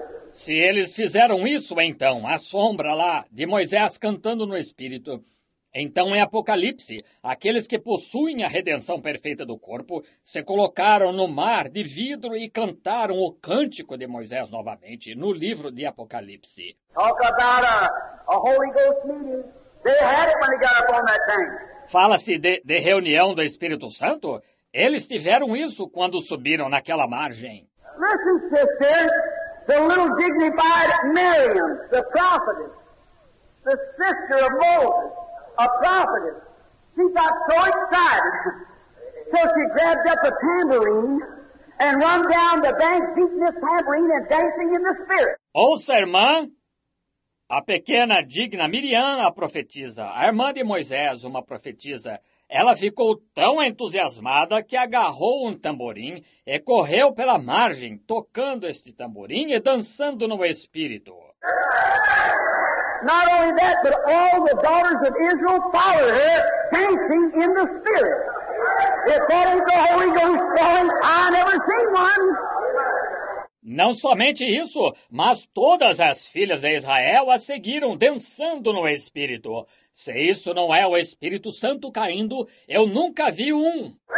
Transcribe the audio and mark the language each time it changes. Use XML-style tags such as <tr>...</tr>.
<pt>Se eles fizeram isso, então, a sombra lá de Moisés cantando no Espírito, então em Apocalipse, aqueles que possuem a redenção perfeita do corpo se colocaram no mar de vidro e cantaram o cântico de Moisés novamente no livro de Apocalipse.</pt> <en>Talk about a Holy Ghost meeting. They had it when they got up on that thing.</en> <pt>Fala-se de reunião do Espírito Santo? Eles tiveram isso quando subiram naquela margem.</pt> <en>Listen, sister. The little dignified Miriam, the prophetess, the sister of Moses, a prophetess, she got so excited, so she grabbed up a tambourine and run down the bank, beating this tambourine and dancing in the spirit.</en> <pt>Ouça, irmã, a pequena digna Miriam, a profetisa, a irmã de Moisés, uma profetisa, ela ficou tão entusiasmada que agarrou um tamborim e correu pela margem, tocando este tamborim e dançando no Espírito.</pt> <en>Not only that, but all the daughters of Israel followed her, dancing in the Spirit. If that ain't the Holy Ghost going, I never seen one.</en> <pt>Não somente isso, mas todas as filhas de Israel a seguiram dançando no Espírito. Se isso não é o Espírito Santo caindo, eu nunca vi um.</pt>